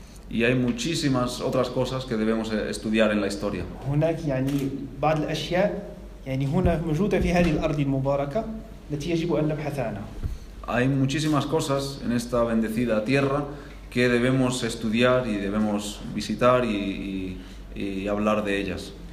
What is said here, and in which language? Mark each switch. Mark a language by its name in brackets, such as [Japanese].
[Spanish] y hay muchísimas otras cosas que debemos estudiar en la historia. [Arabic] هناك يعني بعض الأشياء يعني هنا موجودة في هذه الأرض المباركة التي يجب أن نبحث عنها. [Spanish] Hay muchísimas cosas en esta bendecida tierra que debemos estudiar y debemos visitar y hablar de ellas.